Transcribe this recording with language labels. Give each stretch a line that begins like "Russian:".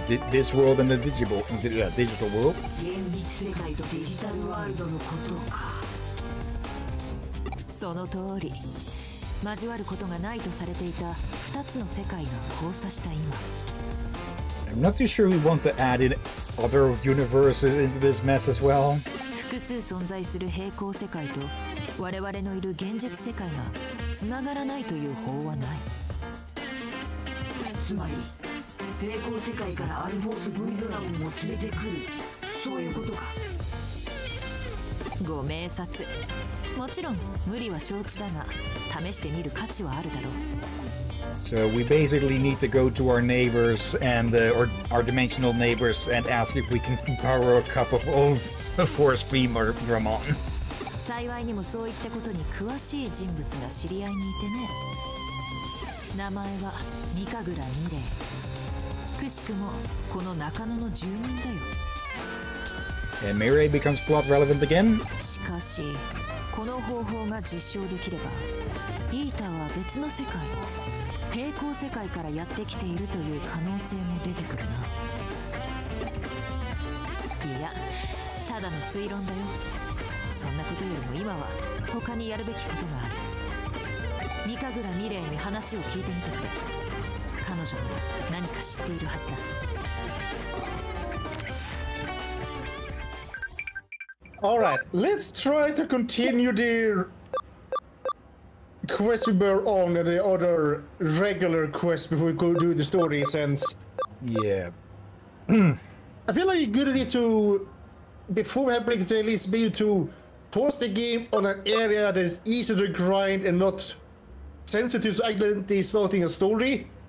English: This world and the digital world?
Japanese: 現実世界とデジタルワールドのことか。その通り。交わることがないとされていた2つの世界が交差した今、
English: I'm not too sure we want to add in other universes into this mess as well.
Japanese: 複数存在する平行世界と我々のいる現実世界がつながらないという法はない。つまり平行世界からアルフォース V ドラゴンを連れてくる、そういうことか。ご明察。もちろん無理は承知だが、試してみる価値はあるだろう。
English: So we basically need to go to our neighbors and or our dimensional neighbors and ask if we can borrow a cup of old forest femur from on.
Japanese: 幸いにもそういったことに詳しい人物が知り合いにいてね。名前はミカグラミレイ。くしくもこの中野の住人だよ。
English: And Mirei becomes plot relevant again.
Japanese: しかし、この方法が実証できれば、イーターは別の世界を平行世界からやってきているという可能性も出てくるな。いや、ただの推論だよ。そんなことよりも今は他にやるべきことがある。ミカグラミレイに話を聞いてみてくれ。彼女なら何か知っているはずだ。
English: All right, let's try to continue the quest we were on and the other regular quest before we go do the story, since... Yeah. I feel like a good idea to, before we have break to at least be able to pause the game on an area that is easy to grind and not sensitive to actually starting a story.